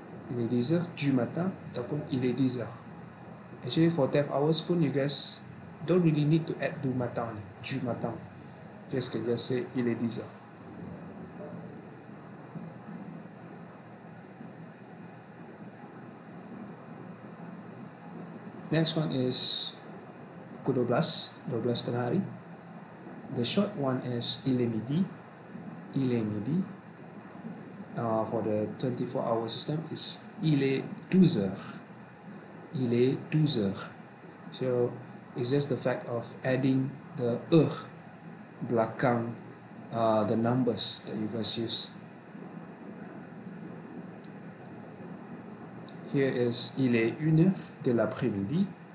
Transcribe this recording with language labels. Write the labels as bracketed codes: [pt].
[fr] Il est 10h du matin, [ms] ataupun [fr] il est 10h. [en] Actually, for 10 hours pun, you guys don't really need to add [fr] du matin. [en] You guys can just say [fr] il est 10h. [en] Next one is [ms] pukul 12, 12 tengah hari. [en] The short one is [fr] il est midi. Il est midi. [en] For the 24-hour system, it's [fr] il est 12 heures. Il est 12 heures. [en] So it's just the fact of adding the heure [ms] belakang [en] the numbers that you guys use. Here is [fr] il est une heure de l'après-midi.